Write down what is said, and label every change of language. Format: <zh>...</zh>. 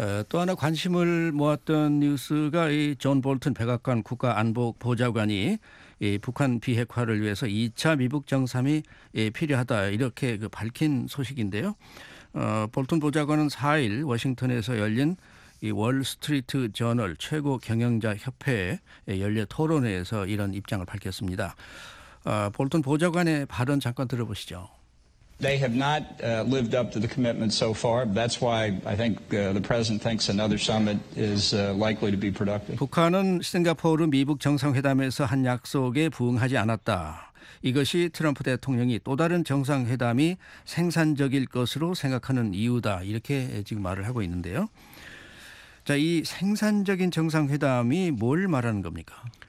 <ko>또 하나 관심을 모았던 뉴스가 이 존 볼튼 백악관 국가안보보좌관이 이 북한 비핵화를 위해서 2차 미북 정상이 필요하다 이렇게 밝힌 소식인데요. 볼튼 보좌관은 4일 워싱턴에서 열린 이 월스트리트 저널 최고 경영자 협회의 연례 토론회에서 이런 입장을 밝혔습니다. 볼튼 보좌관의 발언 잠깐 들어보시죠.</ko> <en>They have not lived up to the commitment so far. That's why I think the president thinks another summit is likely to be productive.</en> <ko>북한은 싱가포르 미북 정상회담에서 한 약속에 부응하지 않았다. 이것이 트럼프 대통령이 또 다른 정상회담이 생산적일 것으로 생각하는 이유다. 이렇게 지금 말을 하고 있는데요. 자, 이 생산적인 정상회담이 뭘 말하는 겁니까?</ko>